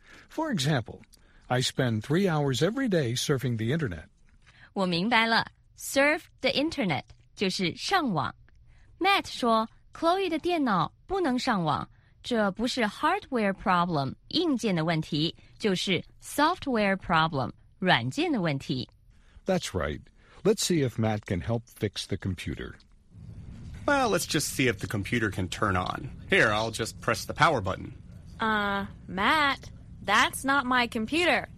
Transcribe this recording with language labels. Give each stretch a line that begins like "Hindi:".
English: For example, I spend 3 hours every day surfing the internet.
Chinese: 我明白了， surf the internet 就是上网。 Matt 说 Chloe 的电脑不能上网。这不是 hardware problem, 硬件的问题，就是 software problem, 软件的问题。
English: That's right. Let's see if Matt can help fix the computer. Well, let's just see if the computer can turn on. Here, I'll just press the power button. Matt, that's not my computer.